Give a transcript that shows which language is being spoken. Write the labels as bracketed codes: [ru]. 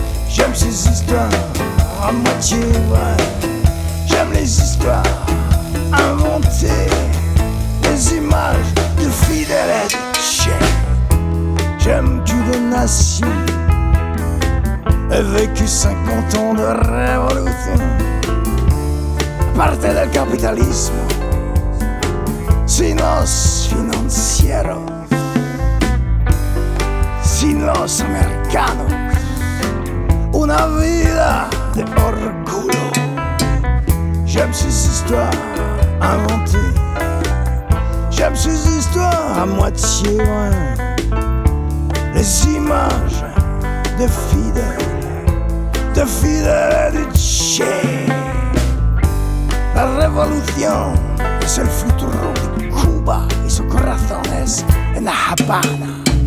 [fr] J'aime ces histoires à moitié vraies. J'aime les histoires inventées, les images de Fidel et Che. J'aime toute nation et vécu 50 ans de révolution. [es] Parte del capitalismo, sin los financieros, sin los americanos, una vida de orgullo. [fr] J'aime ces histoires inventées, j'aime ces histoires à moitié loin, les images de Fidel et de Che. [es] La revolución es el futuro de Cuba y su corazón es en la Habana.